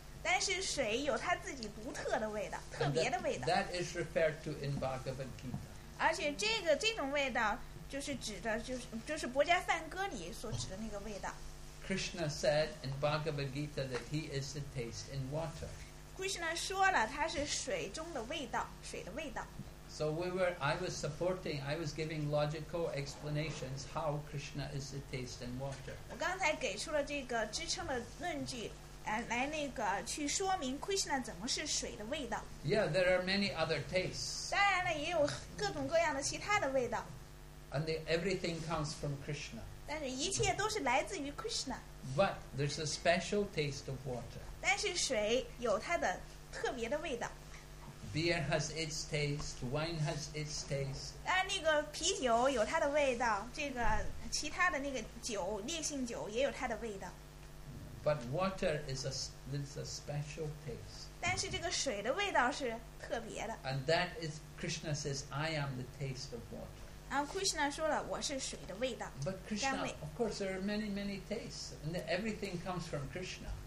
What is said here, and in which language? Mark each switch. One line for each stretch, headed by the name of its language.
Chinese: 但是水有它自己独特的味道，特别的味道。
English: That is referred to in Bhagavad Gita.
Chinese: 而且这种味道就是指的就是《博迦梵歌》里所指的那个味道。
English: Krishna said in Bhagavad Gita that he is the taste in water.
Chinese: Krishna 说了，他是水中的味道，水的味道。
English: So I was giving logical explanations how Krishna is the taste in water.
Chinese: 我刚才给出了这个支撑的论据，来那个去说明 Krishna 怎么是水的味道。
English: Yeah, there are many other tastes.
Chinese: 当然了，也有各种各样的其他的味道。
English: And everything comes from Krishna.
Chinese: 但是一切都是来自于 Krishna.
English: But there's a special taste of water.
Chinese: 但是水有它的特别的味道。
English: Beer has its taste. Wine has its taste.
Chinese: 但那个啤酒有它的味道，这个其他的那个酒，烈性酒也有它的味道。
English: But water is a special taste.
Chinese: 但是这个水的味道是特别的。
English: And that is Krishna says, I am the taste of water.
Chinese: 然后 Krishna 说了，我是水的味道。
English: But Krishna, of course, there are many, many tastes, and everything comes from Krishna.